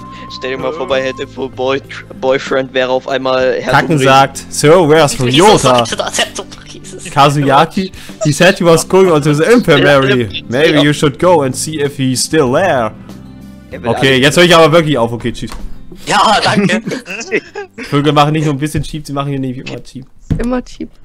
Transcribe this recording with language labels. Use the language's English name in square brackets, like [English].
[German] Stell dir mal vor, bei Hatoful Boyfriend wäre auf einmal Herr Kacken sagt, [English] so, where's Ryota? Kasuyaki, he said he was going on to the infirmary. Maybe you should go and see if he's still there. [German] Okay, jetzt höre ich aber wirklich auf. Okay, tschüss. Ja, danke. Vögel machen nicht nur ein bisschen Tschiep, sie machen hier nicht immer Tschiep.